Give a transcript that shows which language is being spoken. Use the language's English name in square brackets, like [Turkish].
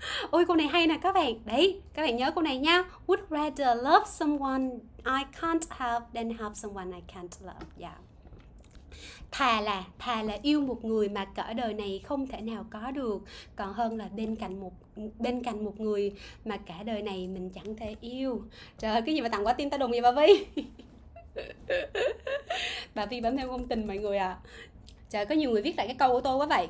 [Vietnamese] Ôi câu này hay nè các bạn. Đấy, các bạn nhớ câu này nha. [English] Would rather love someone I can't have than have someone I can't love. [Vietnamese] Thà là yêu một người mà cả đời này không thể nào có được, còn hơn là bên cạnh một người mà cả đời này mình chẳng thể yêu. Trời ơi, cái gì mà tặng quả tim ta đùng vậy bà Vi? Bà Vi bấm theo ngôn tình mọi người à. Trời, có nhiều người viết lại cái câu của tôi quá vậy.